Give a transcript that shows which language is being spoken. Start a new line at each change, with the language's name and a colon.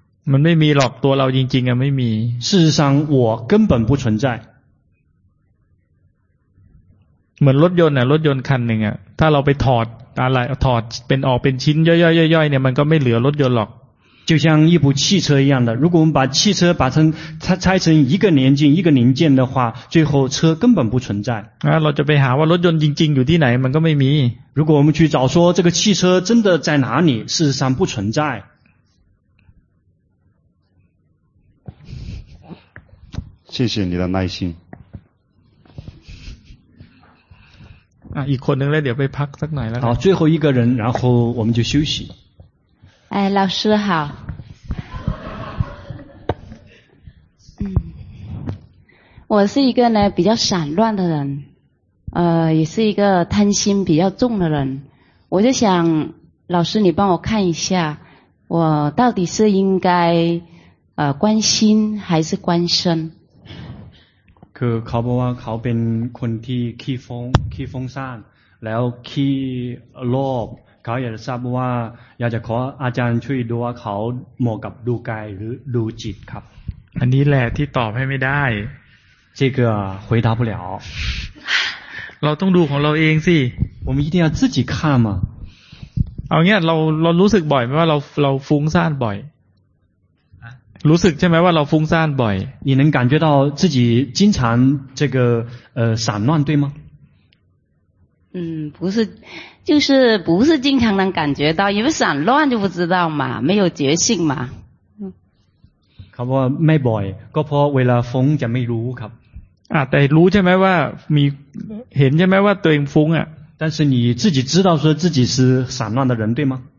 Thai: มันไม่มีหรอกตัวเราจริงๆอ่ะไม่มี
Chinese: 事实上我根本不存在
Thai: เหมือนรถยนต์อ่ะรถยนต์คันหนึ่งอ่ะถ้าเราไปถอดอะไรถอดเป็นออกเป็นชิ้นย่อยๆๆเนี่ยมันก็ไม่เหลือรถยนต์หรอก
Chinese: 就像一部汽车一样的如果我们把汽车把它拆成一个零件一个零件的话最后车根本不存在
Thai: เราจะไปหาว่ารถยนต์จริงๆอยู่ที่ไหนมันก็ไม่มี
Chinese: 如果我们去找说这个汽车真的在哪里事实上不存在谢谢你的耐心
Thai: อีกคนนึงแล้วเดี๋ยวไปพักสักหน่อยแล้ว
Chinese: 好最后一个人然后我们就休息哎老师好我是一个呢比较散乱的人也是一个贪心比较重的人我就想老师你帮我看一下我到底是应该关心还是关身
Thai: คือเขาบอกว่าเขาเป็นคนที่ขี้ฟุ้งซ่านแล้วขี้โลภเขาอยากจะทราบว่าอยากจะขออาจารย์ช่วยดูว่าเขาเหมาะกับดูกายหรือดูจิตครับ อันนี้แหละที่ตอบให้ไม่ได้
Chinese: 这个回答不了
Thai: เราต้องดูของเราเองสิ
Chinese: 我们一定要自己看嘛
Thai: เอาเนี่ยเรารู้สึกบ่อยไหมว่าเราฟุ้งซ่านบ่อยรู้สึกใช่ไหมว่าเราฟุ้งซ่านบ่อย
Chinese: 你能感觉到自己经常这个散乱对吗嗯不是就是不是经常能感觉到因为散乱就不知道嘛没有觉性嘛
Thai: เขาบอกว่าไม่บ่อยก็เพราะเวลาฟุ้งจะไม่รู้ครับ แต่รู้ใช่ไหมว่ามีเห็นใช่ไหมว่าตัวเองฟุ้งอ่ะ
Chinese: 但是你自己知道说自己是散乱的人对吗